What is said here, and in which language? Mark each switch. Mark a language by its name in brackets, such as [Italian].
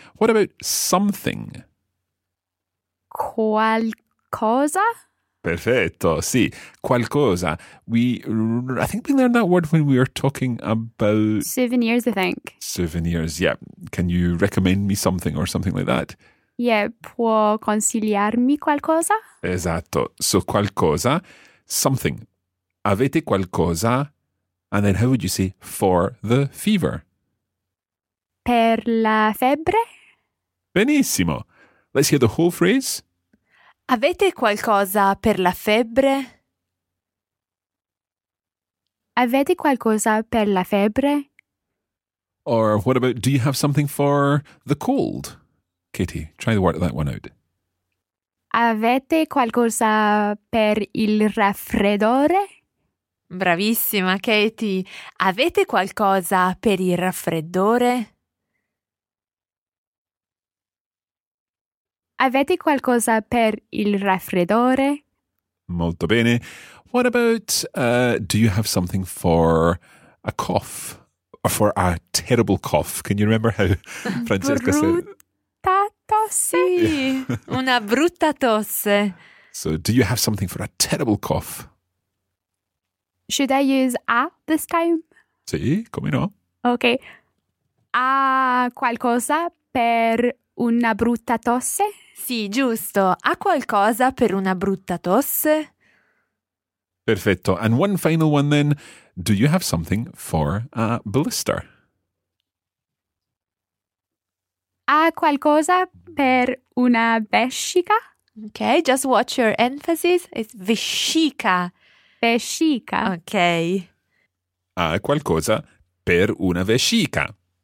[English] What about something? [Italian] Qualcosa? Perfetto, sì. Qualcosa. [English] I think we learned that word when we were talking about... souvenirs, I think. Souvenirs, yeah. Can you recommend me something or something like that? Yeah, [Italian] può consigliarmi qualcosa? Esatto. So qualcosa, [English] something. [Italian] Avete qualcosa? [English] And then how would you say for the fever? [Italian] Per la febbre? Benissimo. [English] Let's hear the whole phrase. [Italian] Avete qualcosa per la febbre? Avete qualcosa per la febbre? [English] Or what about, do you have something for the cold? Katie, try to work that one out. [Italian] Avete qualcosa per il raffreddore? Bravissima, Katie. Avete qualcosa per il raffreddore? Avete qualcosa per il raffreddore? Molto bene. [English] What about, do you have something for a cough? Or for a terrible cough? Can you remember how Francesca said? [Italian] Brutta tosse. Una brutta tosse. [English] So, do you have something for a terrible cough? Should I use a this time? [Italian] Sì, come no. [English] Okay. [Italian] A qualcosa per una brutta tosse? Sì, giusto. A qualcosa per una brutta tosse? Perfetto. [English] And one final one then. Do you have something for a blister? [Italian] A qualcosa per una vescica? [English] Okay, just watch your emphasis. It's vescica. [Italian] Vescica. [English] Okay. [Italian] A qualcosa per una vescica.